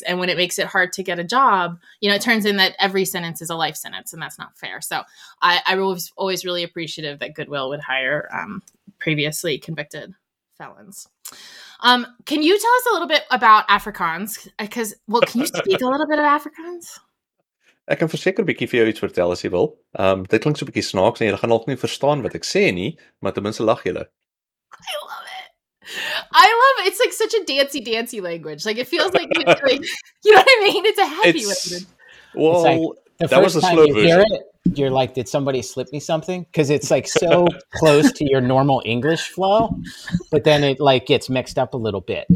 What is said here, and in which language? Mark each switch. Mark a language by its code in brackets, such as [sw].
[en] And when it makes it hard to get a job, you know, it turns in that every sentence is a life sentence, and that's not fair. So I was always really appreciative that Goodwill would hire previously convicted felons. Can you tell us a little bit about Afrikaans? Because, can you speak a little bit of Afrikaans? [af] Ek kan verseker 'n bietjie vir jou iets vertel as jy wil. Dit klink so 'n bietjie snaaks en jy gaan dalk nie verstaan wat ek sê nie, maar ten minste lag jy. [en] I love it. I love it. It's like such a dancey language. Like it feels like you're doing, you know what I mean? It's a happy language. Well, like that was the slow version. Hear it, you're like, did somebody slip me something? Because it's like so close to your normal English flow, but then it like gets mixed up a little bit.